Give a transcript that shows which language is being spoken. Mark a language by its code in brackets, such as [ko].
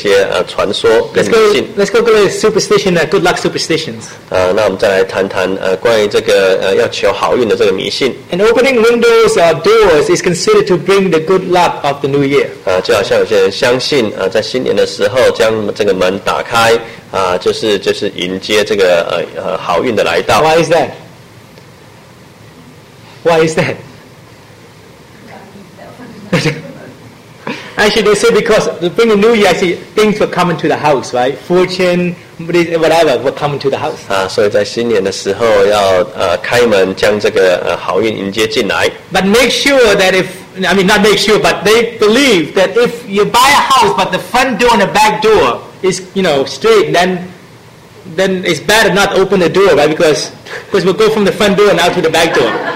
[zh] 还有很多关于过年的这些传说跟迷信。 [en] Let's go to superstition, good luck superstitions. [zh] 那我们再来谈谈关于这个要求好运的这个迷信。 [en] And opening windows or doors is considered to bring the good luck of the new year. [zh] 就好像有些人相信在新年的时候将这个门打开。就是迎接这个好运的来到。 [en] Why is that? Why is that? Actually, they say because to bring a new year, actually, things will come into the house, right? Fortune, whatever will come into the house. [zh] 所以在新年的时候要开门将这个好运迎接进来。 [en] But make sure that if, I mean not make sure, but they believe that if you buy a house, but the front door and the back door is, you know, straight, then it's better not open the door, right? Because we'll go from the front door now to the back door.